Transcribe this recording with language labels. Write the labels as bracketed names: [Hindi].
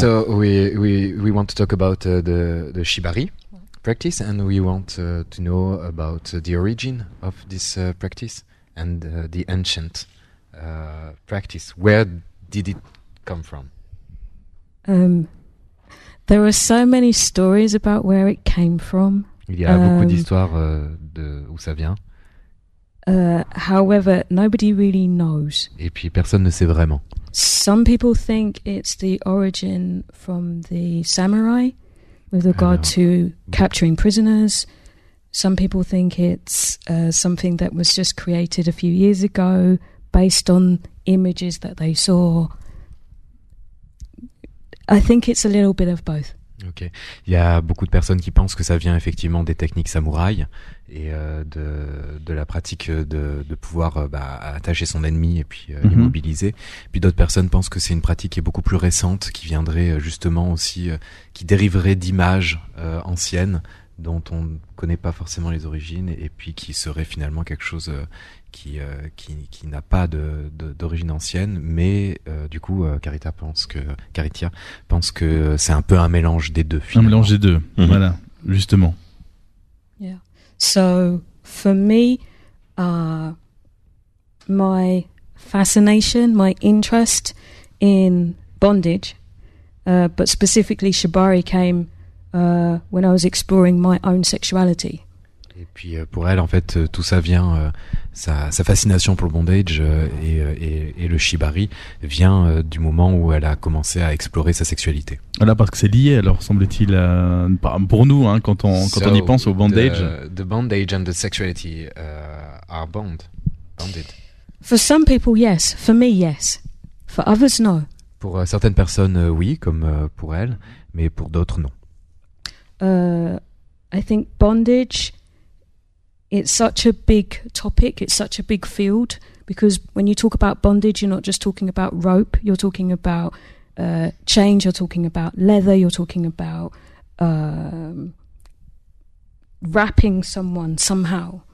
[English] So we want to talk about the shibari practice, and we want to know about the origin of this practice and the ancient practice. Where did it come from? There are so many stories about where it came from. [French] Il y a beaucoup d'histoires de où ça vient. [English] However, nobody really knows. [French] Et puis personne ne sait vraiment. [English] Some people think it's the origin from the samurai. With regard to capturing prisoners, some people think it's something that was just created a few years ago based on images that they saw. I think it's a little bit of both. Ok. [French] Il y a beaucoup de personnes qui pensent que ça vient effectivement des techniques samouraïs et de la pratique de pouvoir attacher son ennemi et puis l'immobiliser. Puis d'autres personnes pensent que c'est une pratique qui est beaucoup plus récente, qui viendrait justement aussi, qui dériverait d'images anciennes dont on ne connaît pas forcément les origines et puis qui serait finalement quelque chose qui n'a pas d'origine ancienne, mais du coup Caritia pense que c'est un peu un mélange des deux finalement. Un mélange des deux, voilà, justement. [English] Yeah. So for me, my fascination, my interest in bondage, but specifically shibari came when I was exploring my own sexuality. [French] Et puis pour elle, en fait, tout ça vient sa fascination pour le bondage et le shibari vient du moment où elle a commencé à explorer sa sexualité. Voilà, parce que c'est lié, alors semble-t-il, pour nous, hein, quand on y pense au bondage. [English] The bondage and the sexuality are bonded. For some people, yes. For me, yes. For others, no. [French] Pour certaines personnes, oui, comme pour elle, mais pour d'autres, non. [English] I think bondage, it's such a big topic, it's such a big field, because when you talk about bondage, you're not just talking about rope, you're talking about chains, you're talking about leather, you're talking about wrapping someone somehow.